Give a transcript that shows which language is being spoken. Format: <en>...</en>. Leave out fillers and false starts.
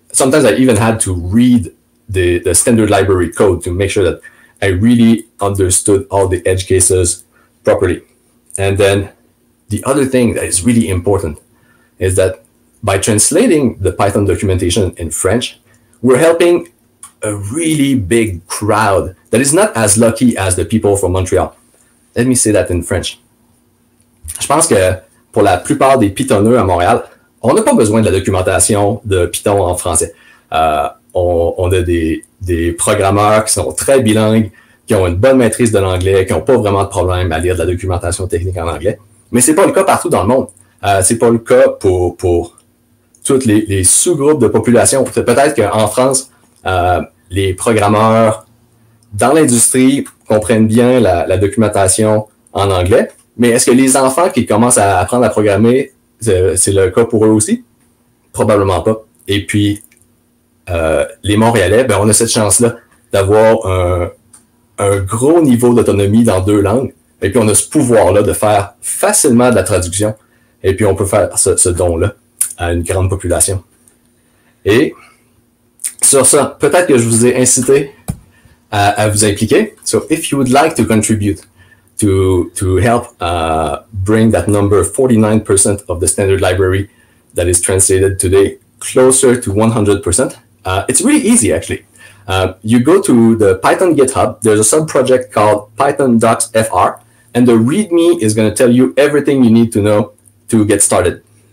<en>Sometimes I even had to read the standard library code to make sure that I really understood all the edge cases properly. And then the other thing that is really important is that by translating the Python documentation in French, we're helping a really big crowd that is not as lucky as the people from Montreal. Let me say that in French.</en> <fr>Je pense que pour la plupart des Pythonneux à Montréal, on n'a pas besoin de la documentation de Python en français. On a des programmeurs qui sont très bilingues, qui ont une bonne maîtrise de l'anglais, qui n'ont pas vraiment de problème à lire de la documentation technique en anglais. Mais ce n'est pas le cas partout dans le monde. Ce n'est pas le cas pour tous les sous-groupes de population. Peut-être qu'en France, les programmeurs dans l'industrie comprennent bien la documentation en anglais. Mais est-ce que les enfants qui commencent à apprendre à programmer, c'est le cas pour eux aussi? Probablement pas. Et puis, les Montréalais, ben, on a cette chance-là d'avoir un gros niveau d'autonomie dans deux langues. Et puis, on a ce pouvoir-là de faire facilement de la traduction. Et puis, on peut faire ce don-là à une grande population. Et sur ça, peut-être que je vous ai incité à vous impliquer.</fr> <en>So, if you would like to contribute to help bring that number 49% of the standard library that is translated today closer to 100%, it's really easy, actually. You go to the Python GitHub, there's a sub-project called Python Docs FR, and the README is going to tell you everything you need to know to get started.</en>